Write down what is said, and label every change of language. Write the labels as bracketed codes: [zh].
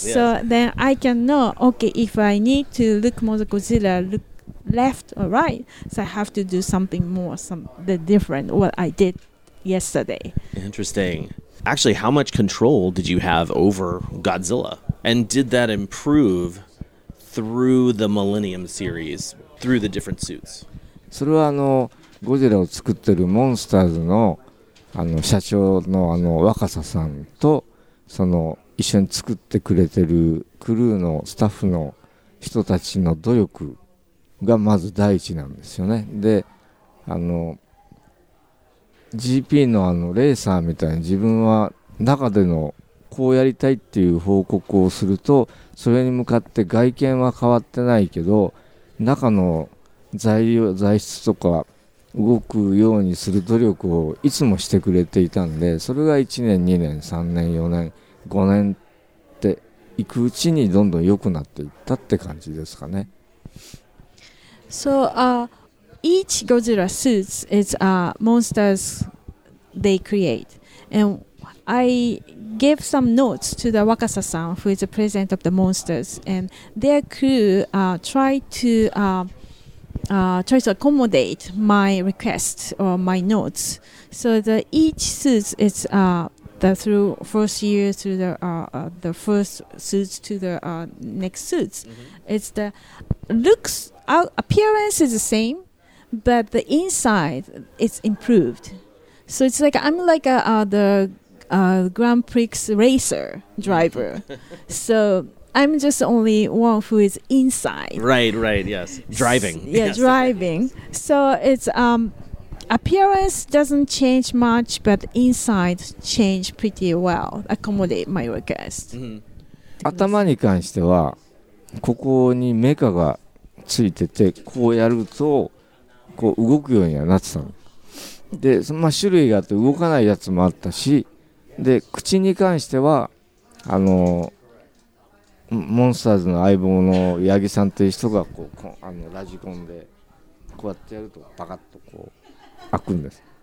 [en] So then I can know, okay, if I need to look more the Godzilla, look left or right, so I have to do something more, the different what I did yesterday. Interesting. Actually, how much control did you have over Godzilla? And did that improve through the Millennium series, through the different suits? [ja] それはゴジラを作ってるモンスターズ の社長 の若狭さんと、その一緒に作ってくれてるクルーのスタッフの人たちの努力がまず第一なんですよね。で、GP の レーサーみたいに自分は中でのこうやりたいっていう報告をすると、それに向かって外見は変わってないけど中の材質とか動くようにする努力をいつもしてくれていたんで、それが1年2年3年4年5年っていくうちにどんどん良くなっていったって感じですかね。 [en] So each Godzilla suits is monsters they create, and I gave some notes to the Wakasa-san, who is the president of the Monsters, and their crew tried to accommodate my request or my notes. So the each suit is the first suits to the next suits. Mm-hmm. It's the looks, appearance is the same, but the inside it's improved. So it's like I'm like a Grand Prix racer driver. So I'm just the only one who is inside. Right, yes. Driving. Driving. So it's appearance doesn't change much, but inside change pretty well. Accommodate my request. Mm-hmm. [ja] 頭に関してはここにメカがついててこうやるとこう動くようにはなってたの。で、そのまあ種類があって動かないやつもあったし、で、口に関してはあのモンスターズの相棒のヤギさんという人がこうこあのラジコンでこうやってやるとバカッとこう開くんです。